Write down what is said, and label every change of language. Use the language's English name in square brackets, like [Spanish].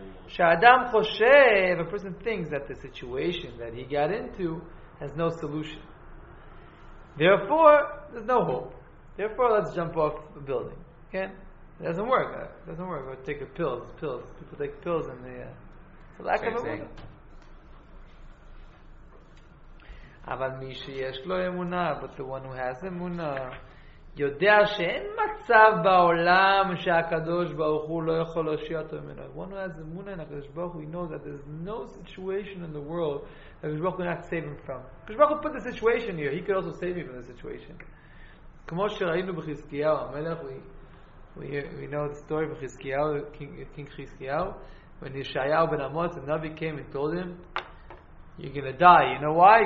[English] If a person thinks that the situation that he got into has no solution, therefore, there's no hope. Therefore, let's jump off a building. Okay? It doesn't work. It doesn't work. We'll take a pill. It's pills. People take pills and they... it's a lack of emunah. [Hebrew] אבל מי שיש לו אמונה, [English] but the one who has אמונה, [Hebrew] יודע שאין מצב בעולם שהקדוש ברוך הוא לא יכול להושיע אותו ממנו. [English] One who has אמונה in הקדוש ברוך הוא, he knows that there's no situation in the world that Kishbach could not save him from. Kishbach could put the situation here. He could also save me from the situation. [Hebrew] כמו שראינו בחזקיהו, המלך, [English] we know the story of חזקיהו, King חזקיהו, when ישעיהו בן עמוץ, the Navi came and told him, you're going to die. You know why?